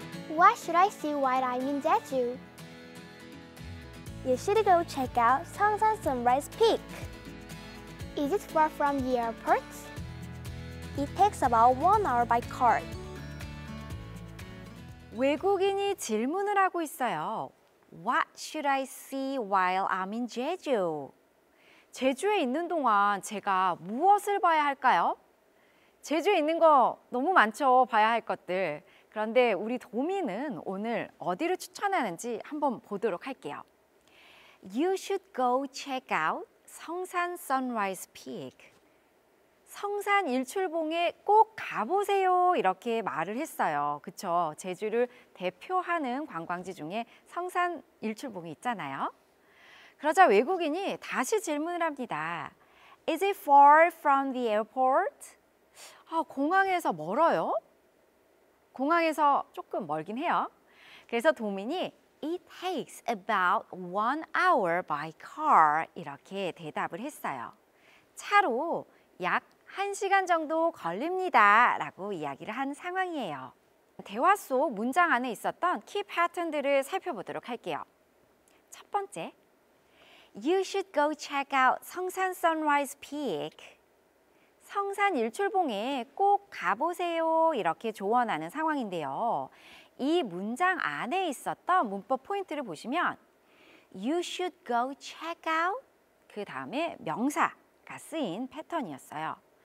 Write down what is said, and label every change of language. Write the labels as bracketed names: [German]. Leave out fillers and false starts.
[English] What should I see while I'm in Jeju? You should go check out Seongsan Sunrise Peak. Is it far from the airport? It takes about 1 hour by car. [Korean] 외국인이 질문을 하고 있어요. [English] What should I see while I'm in Jeju? [Korean] 제주에 있는 동안 제가 무엇을 봐야 할까요? 제주에 있는 거 너무 많죠, 봐야 할 것들. 그런데 우리 도미는 오늘 어디를 추천하는지 한번 보도록 할게요. [English] You should go check out 성산 Sunrise Peak. [Korean] 성산 일출봉에 꼭 가보세요. 이렇게 말을 했어요. 그쵸? 제주를 대표하는 관광지 중에 성산 일출봉이 있잖아요. 그러자 외국인이 다시 질문을 합니다. [English] Is it far from the airport? [Korean] 아, 공항에서 멀어요? 공항에서 조금 멀긴 해요. 그래서 도민이 [English] It takes about 1 hour by car [Korean] 이렇게 대답을 했어요. 차로 약 1시간 정도 걸립니다 라고 이야기를 한 상황이에요. 대화 속 문장 안에 있었던 키 패턴들을 살펴보도록 할게요. 첫 번째, [English] You should go check out 성산 Sunrise Peak. [Korean] 성산 일출봉에 꼭 가보세요 이렇게 조언하는 상황인데요. 이 문장 안에 있었던 문법 포인트를 보시면 [English] You should go check out [Korean] 그 다음에 명사가 쓰인 패턴이었어요.